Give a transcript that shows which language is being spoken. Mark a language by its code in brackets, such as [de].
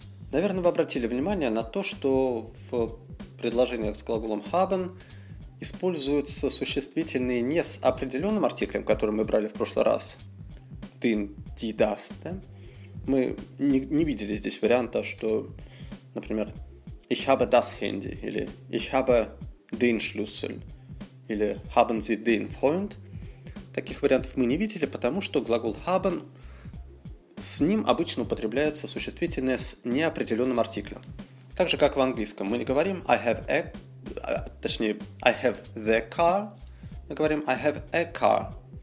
[ru] Наверное, вы обратили внимание на то, что в предложениях с глаголом haben используются существительные не с определенным артиклем, который мы брали в прошлый раз. [de] Den, die, das. [ru] Да? Мы не видели здесь варианта, что, например, [de] ich habe das Handy [ru] или [de] ich habe den Schlüssel [ru] или [de] haben Sie den Freund. [ru] Таких вариантов мы не видели, потому что глагол haben, с ним обычно употребляется существительное с неопределенным артиклем. Так же, как в английском. Мы не говорим [en] I have a... [ru] Точнее, [en] I have the car. [ru] Мы говорим [en] I have a car.